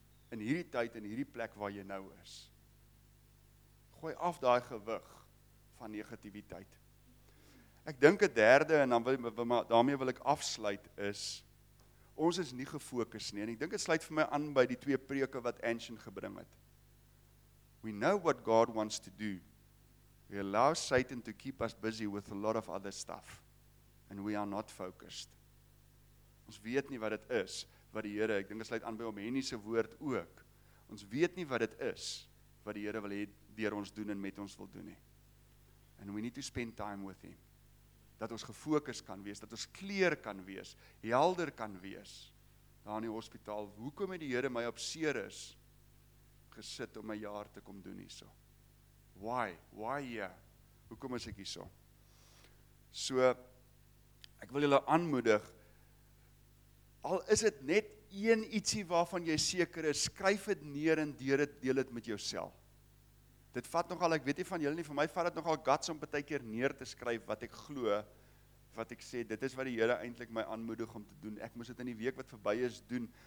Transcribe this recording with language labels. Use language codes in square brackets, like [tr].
[af] In hierdie tyd en hierdie plek waar jy nou is. Gooi af daai gewig van negativiteit. Ek dink 'n derde en dan daarmee wil ek afsluit is ons is nie gefokus nie en ek dink dit sluit vir my aan by die twee preke wat Anshin gebring het. [en] We know what God wants to do. We allow Satan to keep us busy with a lot of other stuff and we are not focused. [af] Ons weet nie wat dit is wat die Here, ek dink dit sluit aan by om Henny se woord ook. Ons weet nie wat dit is wat die Here wil hê deur ons doen en met ons wil doen nie. [en] And we need to spend time with him. [af] Dat ons gefokus kan wees, dat ons kleur kan wees, helder kan wees. Daar in die hospitaal, hoekom het die Here my op seer is? Gesit om 'n jaar te kom doen hierso. [en] Why? [af] Hoekom is ek hierso? So ek wil julle aanmoedig al is dit net een ietsie waarvan jy seker is, skryf dit neer en deel dit met jouself. Dit vat nogal, ek weet nie van julle nie, vir my vat dit nogal guts om baie keer neer te skryf wat ek glo, wat ek sê, dit is wat die Here eintlik my aanmoedig om te doen. Ek moes dit in die week wat verby is doen.